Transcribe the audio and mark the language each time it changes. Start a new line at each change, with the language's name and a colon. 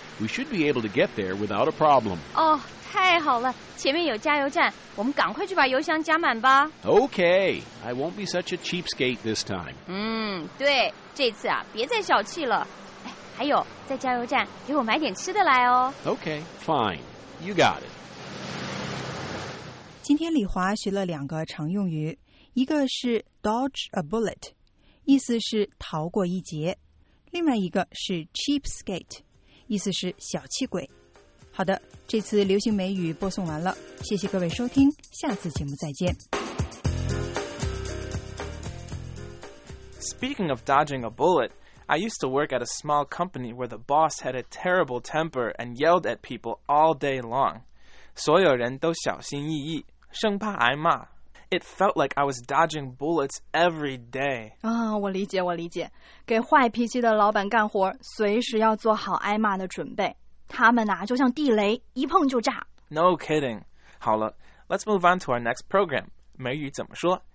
English: We should be able to get there without a problem.
Chinese: 哦，太好了，前面有加油站，我们赶快去把油箱加满吧。
English: Okay, I won't be such a cheapskate this time.
Chinese: 嗯，对，这次啊，别再小气了。哎，还有，在加油站给我买点吃的来哦。
English: Okay, fine, you got it.
Chinese: 今天李华学了两个常用语，一个是 dodge a bullet， 意思是逃过一劫；另外一个是 cheapskate， 意思是小气鬼。好的，这次流行美语播送完了，谢谢各位收听，下次节目再见。
English: Speaking of dodging a bullet, I used to work at a small company where the boss had a terrible temper and yelled at people all day long.
Chinese: 所有人都小心翼翼，生怕挨骂。
English: It felt like I was dodging bullets every day.
Chinese: 啊，我理解，我理解。给坏脾气的老板干活，随时要做好挨骂的准备。他们呐，就像地雷，一碰就炸。
English: No kidding.
Chinese: 好了
English: ，Let's move on to our next program.
Chinese: 美语怎么说？